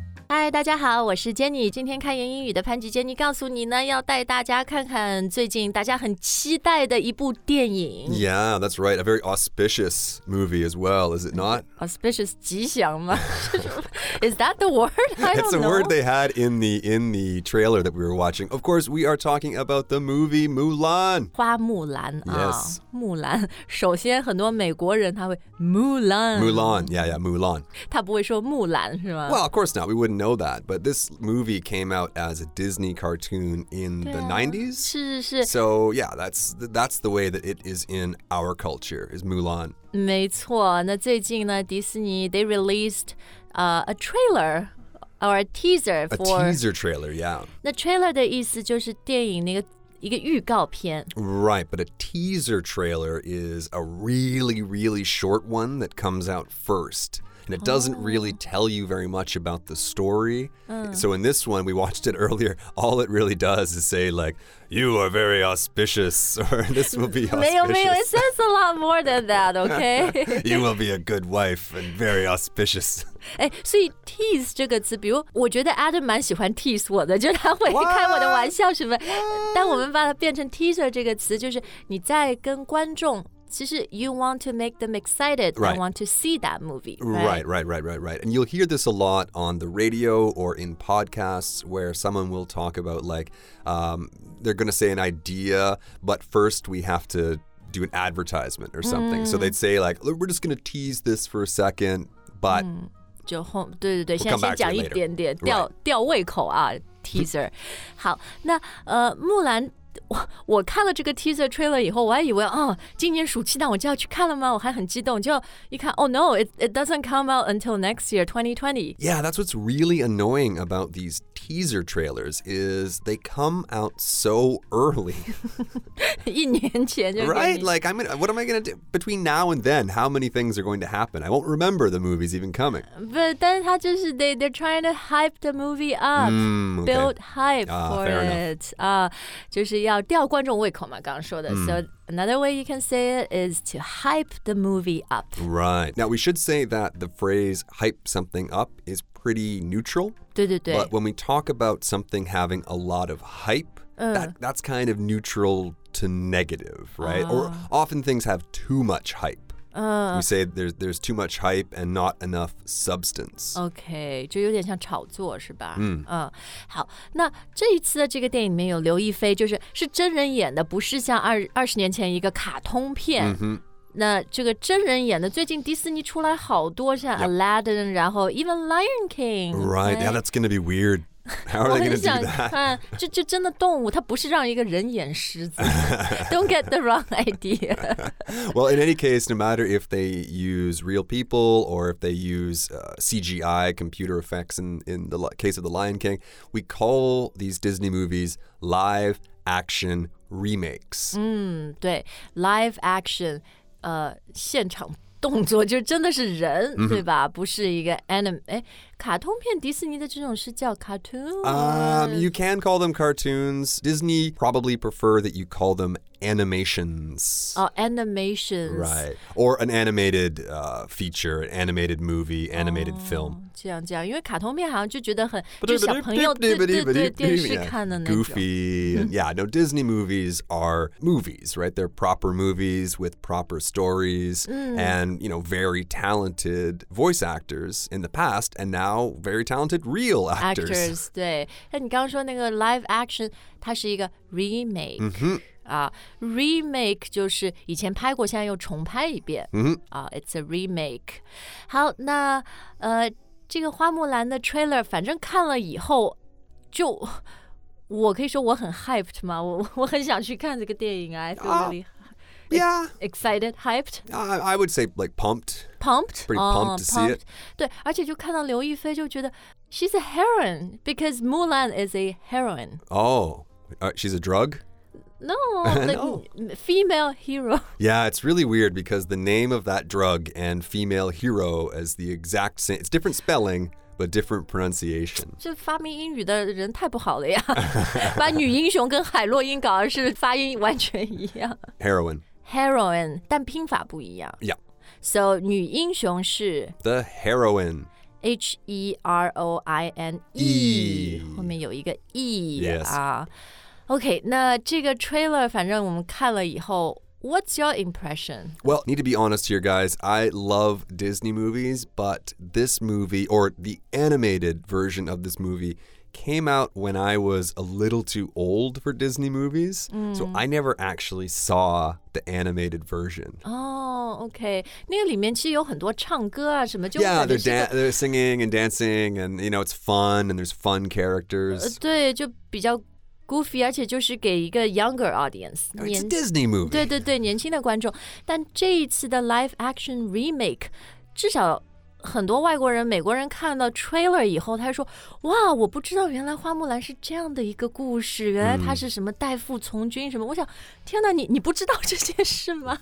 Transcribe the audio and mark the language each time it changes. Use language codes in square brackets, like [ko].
[zh] 嗨，大家好，我是 Jenny。今天开言英语的潘吉 Jenny 告诉你呢，要带大家看看最近大家很期待的一部电影。 [en] Yeah, that's right. A very auspicious movie as well, is it not? [zh] Auspicious, 吉祥吗？ [en] Is that the word? That's the word they had in the trailer that we were watching. Of course, we are talking about the movie Mulan. [zh] 花木兰啊。 [en] Yes. [zh] 木兰。首先很多美国人他会 Mulan. [en] Mulan, yeah, Mulan. [zh] 他不会说木兰是吗？ [en] Well, of course not. We wouldn't know that. But this movie came out as a Disney cartoon in the 90s. [zh] 是是。 [en] So, yeah, that's the way that it is in our culture, is Mulan. [zh] 没错。那最近呢，迪士尼 [en] they released... a trailer or a teaser for... A teaser trailer, yeah. [zh] 那 trailer 的意思就是电影那个一个预告片。 [en] Right, but a teaser trailer is a really, really short one that comes out first. And it doesn't really tell you very much about the story. So in this one, we watched it earlier, all it really does is say like, you are very auspicious, or this will be auspicious. [zh] 没有没有 [en] it says a lot more than that, okay? You will be a good wife and very auspicious. [zh] 哎，所以 tease 这个词，比如我觉得 Adam 蛮喜欢 tease 我的，就他会开我的玩笑什么。但我们把它变成 teaser 这个词，就是你在跟观众，其实 [en] you want to make them excited and want to see that movie. Right. And you'll hear this a lot on the radio or in podcasts where someone will talk about like, they're going to say an idea, but first we have to do an advertisement or something. So they'd say like, we're just going to tease this for a second, but... [zh] 就后对对对，现在先讲一点点吊吊胃口啊 ，teaser。好，那木兰，我看了这个 teaser trailer 以后，我还以为哦，今年暑期档我就要去看了吗？我还很激动，就一看 ， [en] Oh no, it doesn't come out until next year, 2020. Yeah, that's what's really annoying about these teaser trailers is they come out so early. [zh] 一年前就 [en] right? Like, what am I going to do? Between now and then, how many things are going to happen? I won't remember the movie's even coming. But [zh] 但是他就是 [en] they're trying to hype the movie up. Build hype for it. [zh] 就是要吊观众胃口嘛，刚刚说的。 [en] So another way you can say it is to hype the movie up. Right. Now, we should say that the phrase hype something up is pretty neutral. 对对对。 But when we talk about something having a lot of hype,that's kind of neutral to negative, right? Or often things have too much hype. We say there's too much hype and not enough substance. [zh] Okay, 就有点像炒作是吧？好，那这一次的这个电影里面有刘亦菲，就是是真人演的，不是像二十年前一个卡通片。那这个真人演的，最近迪士尼出来好多，像 Aladdin, 然后 even Lion King. [en] Right, yeah, that's going to be weird. How are they going to do that? [zh] 就真的动物，它不是让一个人演狮子。 [en] Don't get the wrong idea. Well, in any case, no matter if they use real people or if they use CGI, computer effects in the case of The Lion King, we call these Disney movies live action remakes. [zh] 对 ,live action, 现场动作就真的是人、对吧不是一个 anime 卡通片迪士尼的这种是叫 cartoon [en] You can call them cartoons Disney probably prefer that you call them animations animations Right Or an animated feature An animated movie Animated film [zh] 这样这样因为卡通片好像就觉得很就小朋友对对对电视看的那种 [en] Goofy Yeah no Disney movies are movies Right They're proper movies With proper stories And you know Very talented voice actors In the past And now Very talented real actors [zh] 对你刚刚说那个 live action 它是一个 remake remake 就是以前拍过现在又重拍一遍、 [en] It's a remake [zh] 好那这个花木兰的 trailer 反正看了以后就我可以说我很 hyped 吗 我很想去看这个电影 [en] I feel really excited, hyped I would say like pumped Pumped? Pretty pumped to see it [zh] 对而且就看到刘亦菲就觉得 [en] She's a heroine Because Mulan is a heroine Oh, she's a drug? No, the female hero. Yeah, it's really weird because the name of that drug and female hero is the exact same. It's different spelling, but different pronunciation. [zh] 这发明英语的人太不好了呀！把女英雄跟海洛因搞的是发音完全一样。 [en] Heroine. [zh] Heroine, 但拼法不一样。 [en] Yeah. [zh] So, 女英雄是 [en] The heroine. [zh] H-E-R-O-I-N-E, 后面有一个 E、 [en] yes. 啊。 [zh] OK, 那这个 trailer 反正我们看了以后 [en] What's your impression? Well, need to be honest here, guys. I love Disney movies, but this movie, or the animated version of this movie, came out when I was a little too old for Disney movies. Mm. So I never actually saw the animated version. Oh, okay. [zh] 那个里面其实有很多唱歌啊什么就 [en] Yeah, they're singing and dancing, and you know, it's fun, and there's fun characters. [zh] 对，就比较Goofy, 而且就是给一个 younger audience. [en] It's a Disney movie. [zh] 对对对，年轻的观众。但这一次的 live action remake, 至少很多外国人、美国人看到 trailer 以后，他说：“哇，我不知道原来花木兰是这样的一个故事，原来她是什么代父从军什么。”我想，天哪，你不知道这件事吗